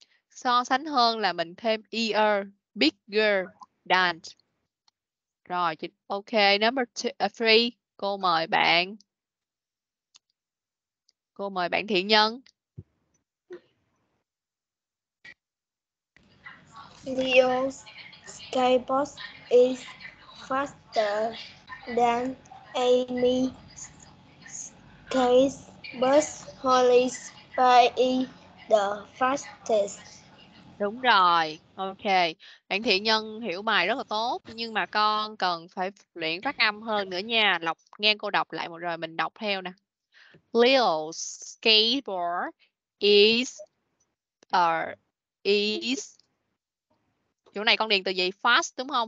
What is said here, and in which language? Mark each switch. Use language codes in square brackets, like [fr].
[vi] So sánh hơn là mình thêm er, bigger than. Rồi, ok. [en] Number 3, [vi] cô mời bạn Thiện Nhân. [en] Leo's skateboard is faster than Amy's skateboard. Holly's by the fastest. [vi] Đúng rồi, ok. Bạn Thiện Nhân hiểu bài rất là tốt, nhưng mà con cần phải luyện phát âm hơn nữa nha. Lọc nghe cô đọc lại một rồi mình đọc theo nè. [en] Leo's skateboard is. [vi] Chỗ này con điền từ gì? Fast đúng không?